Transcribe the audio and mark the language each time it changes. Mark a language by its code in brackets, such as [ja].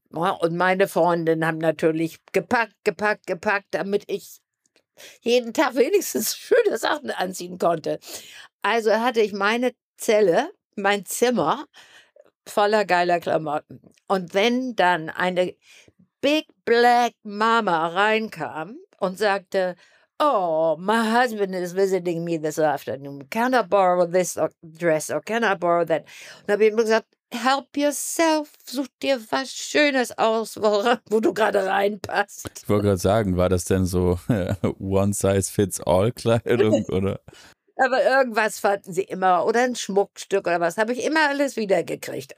[de] Und meine Freundinnen haben natürlich gepackt, damit ich jeden Tag wenigstens schöne Sachen anziehen konnte. Also hatte ich meine Zelle, mein Zimmer, voller geiler Klamotten. Und wenn dann eine Big Black Mama reinkam und sagte, [en] oh, my husband is visiting me this afternoon. Can I borrow this dress or can I borrow that? [de] Und habe ich immer gesagt, [en] help yourself. [de] Such dir was Schönes aus, wo du gerade reinpasst. Ich wollte gerade sagen, war das denn so One-Size-Fits-All-Kleidung? Oder? Aber irgendwas fanden sie immer. Oder ein Schmuckstück oder was. Habe ich immer alles wiedergekriegt.